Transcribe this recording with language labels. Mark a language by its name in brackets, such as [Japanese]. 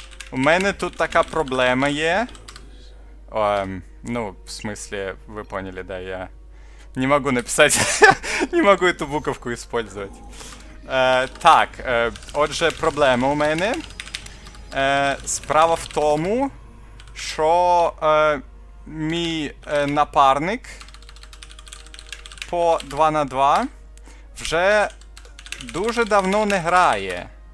[Ukrainian] У мене тут така проблема є. [Russian] Ну, в смысле, вы поняли, да, я не могу написать, не могу эту буковку использовать. [Ukrainian] Так, отже, проблема у мене. Справа в тому, що мій напарник по 2 на 2 вже дуже давно не грає.